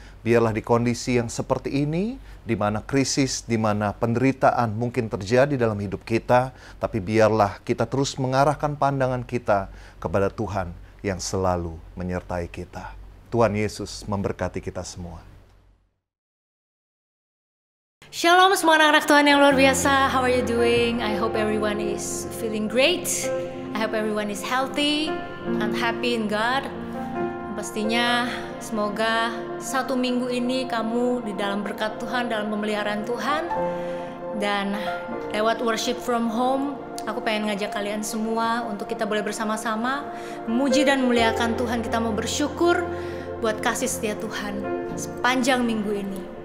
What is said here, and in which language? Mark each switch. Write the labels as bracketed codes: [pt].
[id] Biarlah di kondisi yang seperti ini, di mana krisis, di mana penderitaan mungkin terjadi dalam hidup kita, tapi biarlah kita terus mengarahkan pandangan kita kepada Tuhan yang selalu menyertai kita. Tuhan Yesus memberkati kita semua. Shalom semua anak-anak Tuhan yang luar biasa. [en] How are you doing? I hope everyone is feeling great. I hope everyone is healthy and happy in God. [id] Pastinya semoga satu minggu ini kamu di dalam berkat Tuhan, dalam pemeliharaan Tuhan. Dan lewat worship from home, aku pengen ngajak kalian semua untuk kita boleh bersama-sama memuji dan memuliakan Tuhan. Kita mau bersyukur buat kasih setia Tuhan sepanjang minggu ini.